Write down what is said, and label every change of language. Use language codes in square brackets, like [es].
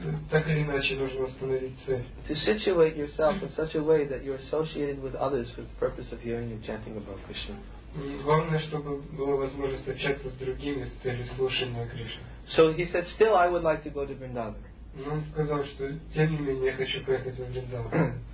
[ru] Так или иначе нужно установить цель. [en] To situate yourself in such a way that you're associated with others for the purpose of hearing and chanting about Krishna. [ru] Главное, чтобы была возможность общаться с другими с целью слушания Кришны. [en] So he said, still I would like to go to Vrindavan. [ru] Он сказал, что тем не менее я хочу поехать в Вриндаван.